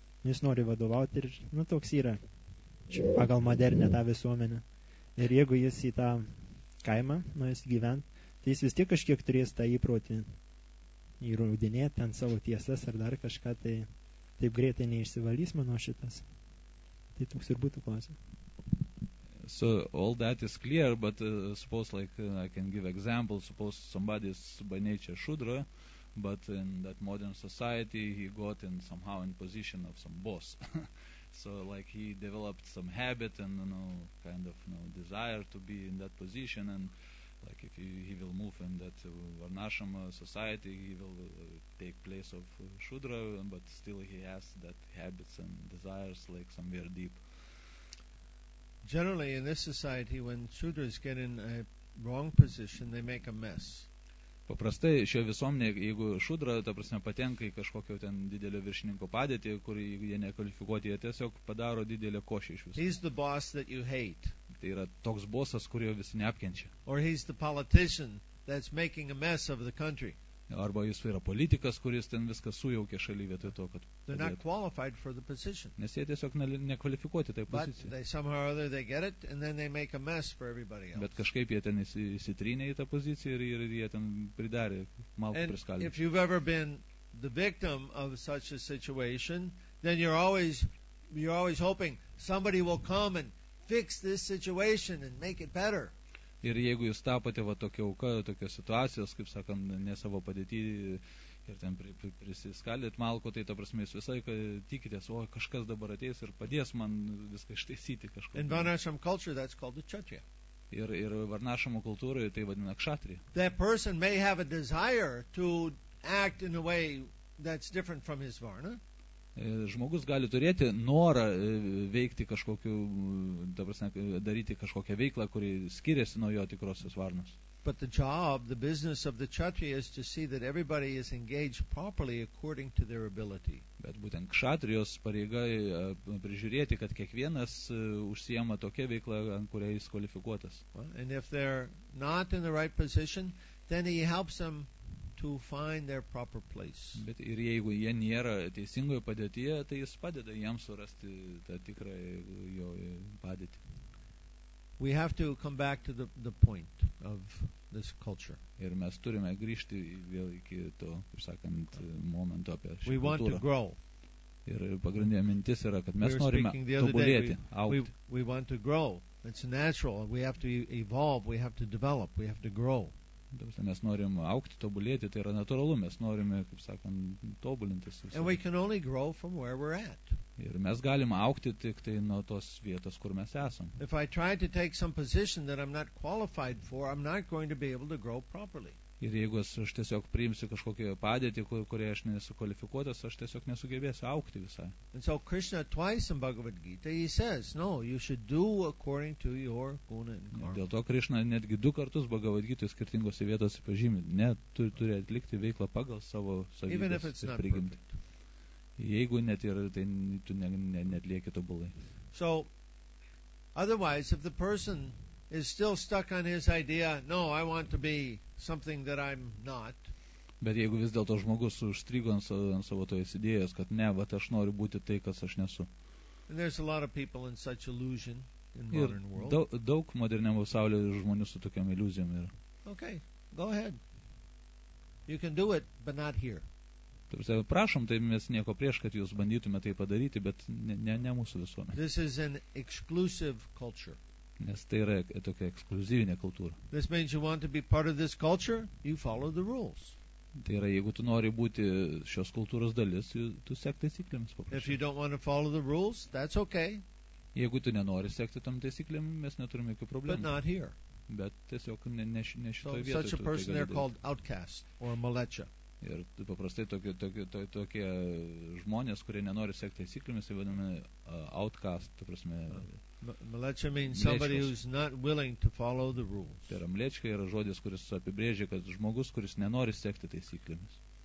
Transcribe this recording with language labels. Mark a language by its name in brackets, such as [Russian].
[Lithuanian] Jis nori vadovauti ir, nu, toks yra pagal modernę tą visuomenę. Ir jeigu jis į tą kaimą, nu, jis gyvent, tai jis vis tiek kažkiek turės tą įprautį įraudinėti ant savo tiesas ar dar kažką, tai taip greitai neišsivalys mano šitas. Tai toks ir būtų klausimas. [English] So all that is clear, but suppose like I can give example, suppose somebody is by nature Shudra, but in that modern society he got in somehow in position of some boss. So like he developed some habit and, you know, kind of, you know, desire to be in that position, and like if he will move in that Varnashrama society, he will take place of Shudra, but still he has that habits and desires like somewhere deep. Generally, in this society, when Shudras get in a wrong position, they make a mess. [Lithuanian] Paprastai šio visuomenė, jeigu Shudra, ta prasme, patenka į kažkokio ten didelio viršininko padėtį, kur jie nekvalifikuoti, jie tiesiog padaro didelį košį iš viso. [English] He's the boss that you hate. [Lithuanian] Tai yra toks bosas, kurio visi neapkenčia. [English] Or he's the politician that's making a mess of the country. [Lithuanian] Arba jis yra politikas, kuris ten viską sujaukė šalį vietoj to, kad [English] they're not qualified for the position. [Lithuanian] Nes jie tiesiog nekvalifikuoti tai poziciją. [English] They somehow or other they get it and then they make a mess for everybody else. [Lithuanian] Bet kažkaip jie ten įsitrynė į tą poziciją ir jie ten pridarė malkų priskaldė. [English] If you've ever been the victim of such a situation, then you're always hoping somebody will come and fix this situation and make it better. [Lithuanian] Ir jeigu jūs tapote va tokia auka, tokios situacijos, kaip sakant, ne savo padėtį ir ten prisiskaldėt malko, tai ta prasme jūs visai tikitės, o kažkas dabar ateis ir padės man viską ištaisyti kažkokį. [English] In Varnashram culture that's called the Kshatriya. [Lithuanian] Ir Varnashramo kultūroje tai vadina Kshatriya. [English] That person may have a desire to act in a way that's different from his Varna. [Lithuanian] Žmogus gali turėti norą veikti kažkokiu, ta prasme, daryti kažkokią veiklą, kuri skiriasi nuo jo tikrosios varnos. [English] But the job, the business of the kshatriya is to see that everybody is engaged properly according to their ability. [Lithuanian] Bet būtent kshatrijos pareiga prižiūrėti, kad kiekvienas užsiema tokia veikla, ant kuriai jis kvalifikuotas. [English] And if they're not in the right position, then he helps them to find their proper place. [Lithuanian] Bet ir jeigu jie nėra teisingoje padėtyje, tai jis padeda jiems surasti tą tikrą jo padėtį. [English] We have to come back to the point of this culture. [Lithuanian] Ir mes turime grįžti vėl iki to, kaip sakant, momento apie šią kultūrą. [English] We want to grow. [Lithuanian] Ir pagrindinė mintis yra, kad mes norime tobulėti, augti. [English] We want to grow. It's natural. We have to evolve. We have to develop. We have to grow. [Lithuanian] Mes norim aukti, tobulėti, tai yra natūralu, mes norime, kaip sakant, tobulintis. [English] And we can only grow from where we're at. [Lithuanian] Ir mes galime aukti tik tai nuo tos vietos, kur mes esam. [English] If I try to take some position that I'm not qualified for, I'm not going to be able to grow properly. [Lithuanian] Ir jeigu aš tiesiog priimsiu kažkokią padėtį, kurioje aš nesu kvalifikuotas, aš tiesiog nesugebėsiu aukti visai. [English] And so Krishna twice in Bhagavad Gita, he says, no, you should do according to your guna and karma. [Lithuanian] Dėl to Krishna netgi du kartus Bhagavad Gita skirtingose vietose pažymė, ne, turi atlikti veiklą pagal savo savybes ir prigimtį. Jeigu net ir tai tu neatlieki tobulai. [English] So, otherwise, if the person is still stuck on his idea, no, I want to be something that I'm not. [Lithuanian] Bet jeigu vis dėlto žmogus užstrigo ant savo tos idėjos, kad ne, bet aš noriu būti tai, kas aš nesu. [English] And there's a lot of people in such illusion in modern world. [Lithuanian] Daug moderniam pasaulyje žmonių su tokiam iliuzijom yra. [English] Okay, go ahead. You can do it, but not here. [Lithuanian] Prašom, tai mes nieko prieš, kad jūs bandytume tai padaryti, bet ne mūsų visuomenė. [English] This is an exclusive culture. [Lithuanian] Nes tai yra tokia ekskluzyvinė kultūra. [English] This means you want to be part of this culture, you follow the rules. [Lithuanian] Tai yra, jeigu tu nori būti šios kultūros dalis, tu sek taisyklėmis paprašai. [English] If you don't want to follow the rules, that's okay. [Lithuanian] Jeigu tu nenori sekti tam taisyklėm, mes neturime jokių problemų. [English] But not here. [Lithuanian] Bet tiesiog ne šitoje vietoje. [English] So such a person they're called outcast or malecha. [Lithuanian] Ir paprastai tokie žmonės, kurie nenori sekti taisyklėmis, jie vadinami outcast, ta prasme. [English] Malecha means somebody who's not willing to follow the rules. [Lithuanian] Tai yra mlečka, yra žodis, kuris apibrėžia, kad žmogus, kuris nenori sekti taisyklėmis.